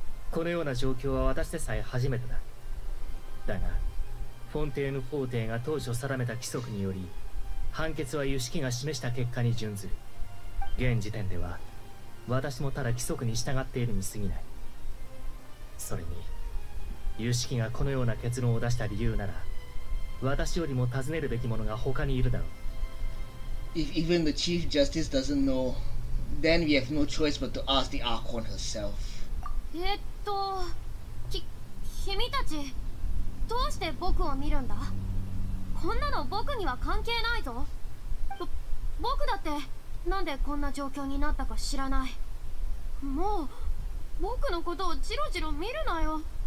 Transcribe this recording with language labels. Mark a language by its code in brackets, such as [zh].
[ja] このような状況は私でさえ初めてだ。だが、フォンテーヌ法廷が当初定めた規則により、判決は由子が示した結果に準ずる。現時点では、私もただ規則に従っているに過ぎない。それに由子がこのような結論を出した理由なら、私よりも尋ねるべきものが他にいるだろう。 [en] If even the Chief Justice doesn't know, then we have no choice but to ask the Archon herself. [ja] 君たち、どうして僕を見るんだ？こんなの僕には関係ないぞ。僕だってなんでこんな状況になったか知らない。もう。僕のことをジロジロ見るなよ。